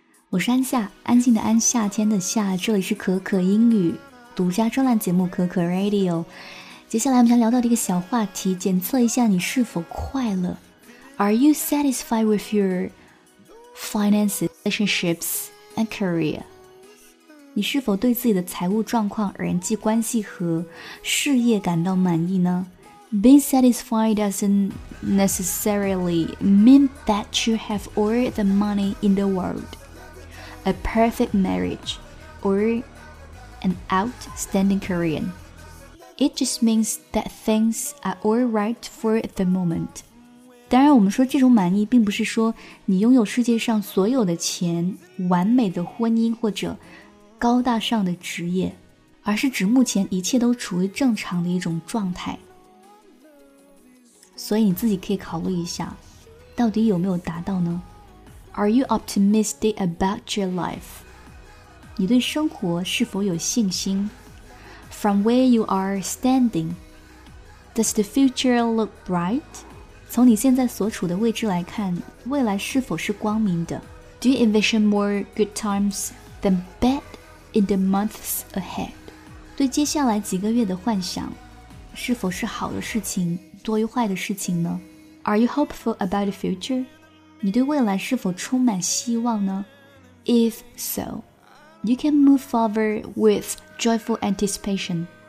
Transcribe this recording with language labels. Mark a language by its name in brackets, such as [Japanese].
[Chinese] 我是安夏，安静的安，夏天的夏，这里是可可英语独家专栏节目可可 Radio。接下来我们想聊到的一个小话题，检测一下你是否快乐。 [English] Are you satisfied with your finances, relationships and career? [Chinese] 你是否对自己的财务状况、人际关系和事业感到满意呢？ [English] Being satisfied doesn't necessarily mean that you have all the money in the world, a perfect marriage, or an outstanding career. It just means that things are all right for the moment. [Chinese] 当然我们说这种满意并不是说你拥有世界上所有的钱、完美的婚姻或者高大上的职业，而是指目前一切都处于正常的一种状态。所以你自己可以考虑一下，到底有没有达到呢？ [English] Are you optimistic about your life? [Chinese] 你对生活是否有信心？ [English] From where you are standing, does the future look bright? [Chinese] 从你现在所处的位置来看，未来是否是光明的？ [English] Do you envision more good times than bad in the months ahead? [Chinese] 对接下来几个月的幻想，是否是好的事情多于坏的事情呢？ [English] Are you hopeful about the future? [Chinese] 你对未来是否充满希望呢？ [English] If so, you can move forward with joyful anticipation.